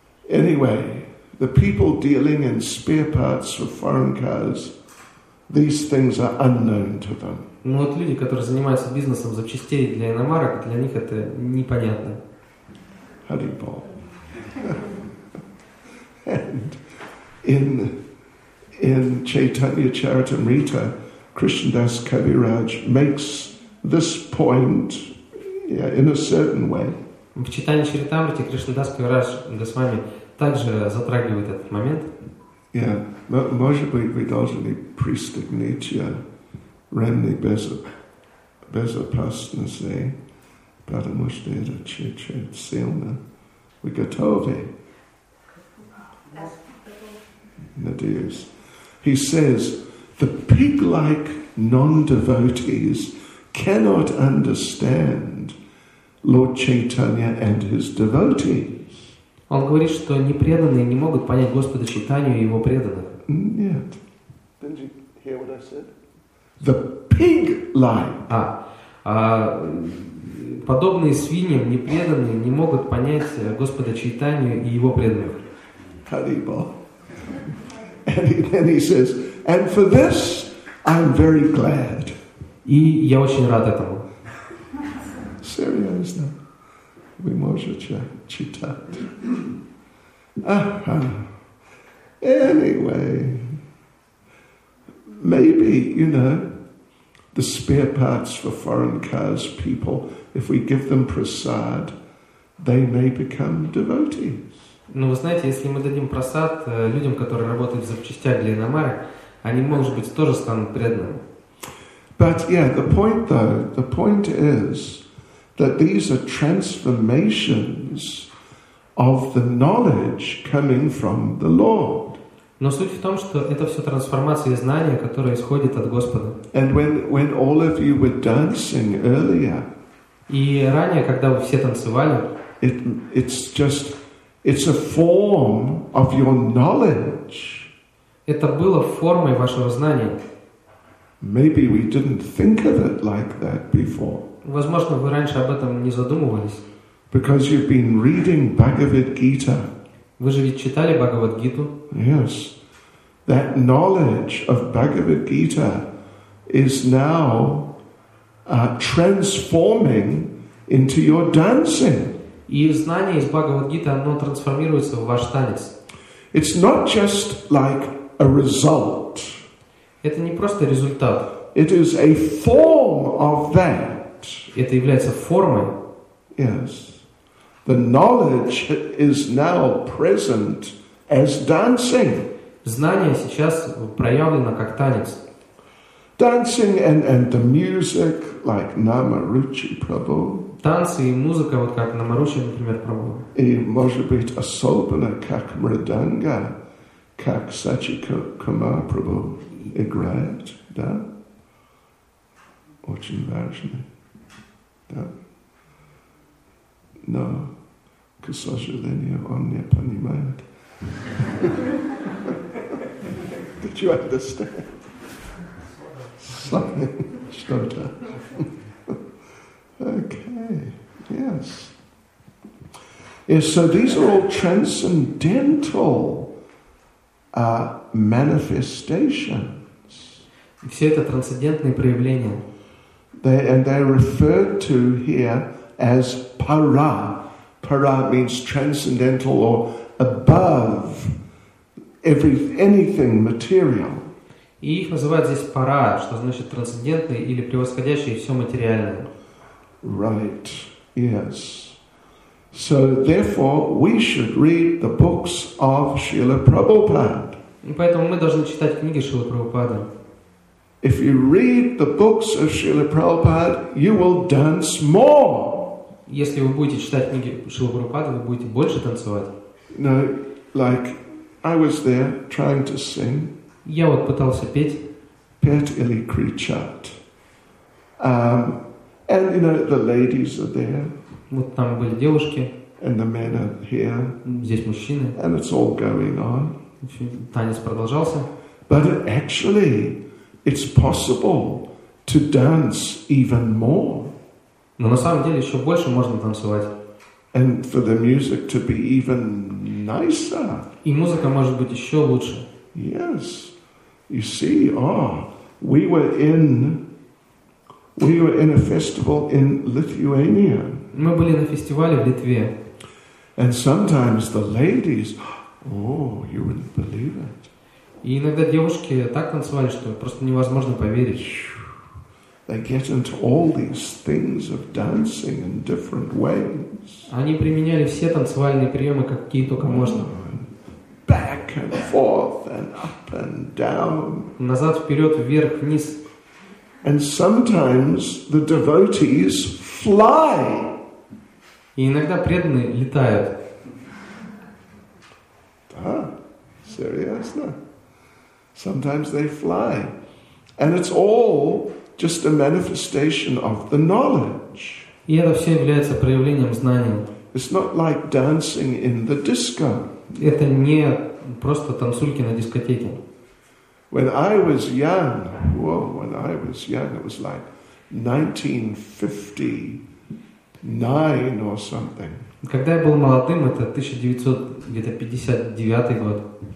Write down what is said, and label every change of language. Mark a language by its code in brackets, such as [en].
[en] Anyway, the people dealing in spare parts for foreign cars, these things are unknown to them. [ru] Ну вот люди, которые занимаются бизнесом запчастей для иномарок, для них это непонятно. [en] How do you call? And in Chaitanya Charitamrita, Krishnadas Kaviraj makes this point in a certain way. [ru] В Чайтанья Чаритамрите Кришнадас Кавирадж Госвами также затрагивает этот момент. Yeah, может быть, вы должны пристегнуть ремни безопасности, потому что это чуть-чуть сильно. Вы готовы? Надеюсь. [en] He says, the pig-like non-devotees cannot understand Lord Chaitanya and his devotees. [ru] Он говорит, что непреданные не могут понять Господа Чайтанью и его преданных. Нет. [en] Didn't you hear what I said? The pig-like. [ru] Подобные свиньям непреданные не могут понять Господа Чайтанью и его преданных. Харибо. [en] And then he says, and for this I'm very glad. [ru] И я очень рад этому. Серьезно. Вы можете читать. [en] Anyway. Maybe, you know, the spare parts for foreign cars people, if we give them prasad, they may become devotees. [ru] Ну, вы знаете, если мы дадим просад людям, которые работают в запчастях для иномарок, они, может быть, тоже станут преданными. [en] But, yeah, the point, though, the point is that these are transformations of the knowledge coming from the Lord. [ru] Но суть в том, что это все трансформация знания, которая исходит от Господа. [en] And when all of you were dancing earlier, [ru] и ранее, когда вы все танцевали, [en] it's just... It's a form of your knowledge. [ru] Это было формой вашего знания. [en] Maybe we didn't think of it like that before. [ru] Возможно, вы раньше об этом не задумывались. [en] Because you've been reading Bhagavad Gita. [ru] Вы же ведь читали Бхагавад Гиту. [en] Yes. That knowledge of Bhagavad Gita is now transforming into your dancing. [ru] И знание из Бхагавад-гиты, оно трансформируется в ваш танец. [en] It's not just like a result. [ru] Это не просто результат. [en] It is a form of that. [ru] Это является формой. [en] Yes. The knowledge is now present as dancing. [ru] Знание сейчас проявлено как танец. [en] Dancing and the music, like Nama Ruchi Prabhu. [ru] Танцы и музыка, вот как на Маруче, например, пробовал. И, может быть, особенно как мриданга, как Сачи-кумар Прабху играет, да? Очень важно, да? Но, к сожалению, он не понимает. [en] Did you understand? Sorry, [ru] что-то. [en] Okay. Yes. Yes. So these are all transcendental manifestations. [ru] Все это трансцендентные проявления. [en] They and they're referred to here as para. Para means transcendental or above anything material. [ru] И их называют здесь para, что значит трансцендентные или превосходящие все материальное. [en] Right, yes. So therefore we should read the books of Srila Prabhupada. [ru] Поэтому мы должны читать книги Шрилы Прабхупады. [en] If you read the books of Srila Prabhupada, you will dance more. [ru] Если вы будете читать книги Шрилы Прабхупады, вы будете больше танцевать. [en] No, like I was there trying to sing. [ru] Я вот пытался петь. Петь или кричать. [en] And you know the ladies are there. [ru] Вот там были девушки. [en] And the men are here. [ru] Здесь мужчины. [en] And it's all going on. [ru] Танец продолжался. [en] But actually, it's possible to dance even more. [ru] Но на самом деле еще больше можно танцевать. [en] And for the music to be even nicer. [ru] И музыка может быть еще лучше. [en] Yes, you see, we were in a festival in Lithuania. [ru] Мы были на фестивале в Литве. [en] And sometimes the ladies, you wouldn't believe it. [ru] И иногда девушки так танцевали, что просто невозможно поверить. [en] They get into all these things of dancing in different ways. [ru] Они применяли все танцевальные приемы, какие только можно. [en] Back and forth and up and down. [ru] Назад, вперед, вверх, вниз. [en] And sometimes the devotees fly. [ru] И иногда преданные летают. Да, серьезно. [en] Sometimes they fly. And it's all just a manifestation of the knowledge. [ru] И это все является проявлением знания. [en] It's not like dancing in the disco. [ru] Это не просто танцульки на дискотеке. [en] When I was young, when I was young, it was like 1959 or something. [ru] Когда я был молодым, это 1959 год.